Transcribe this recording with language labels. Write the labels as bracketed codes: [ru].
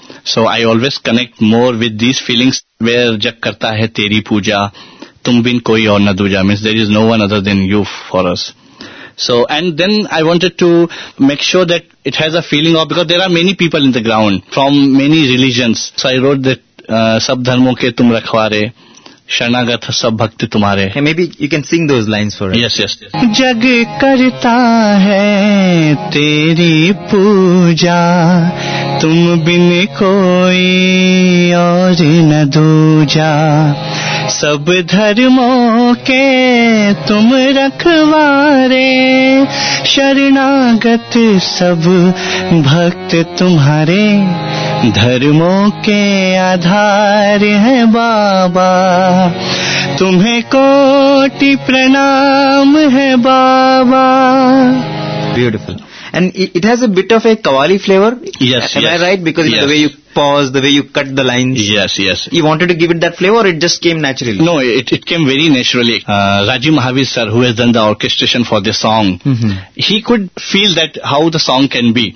[en] So I always connect more with these feelings, where [hi] jag karta hai teri puja, tum bin koi aur na duja, [en] means there is no one other than you for us. So, and then I wanted to make sure that it has a feeling of, because there are many people in the ground from many religions. So I wrote that, [hi] sab dharmo ke tum rakhware, शरणागत सब भक्ति तुम्हारे हैं. [en] Maybe you can sing those lines for yes yes. [hi] जग करता है तेरी पूजा, तुम बिन कोई और न दूजा. सब धर्मों के तुम रखवारे, शरणागत सब भक्त तुम्हारे. धर्मों के आधार है बाबा, तुम्हें कोटि प्रणाम है बाबा. [en] Beautiful. And it has a bit of a Qawwali flavor. Yes, am yes. I right? Because yes. The way you pause, the way you cut the lines. Yes, yes. You wanted to give it that flavor, or it just came naturally? No, it came very naturally. Rajiv Mahavir sir, who has done the orchestration for this song, he could feel that how the song can be.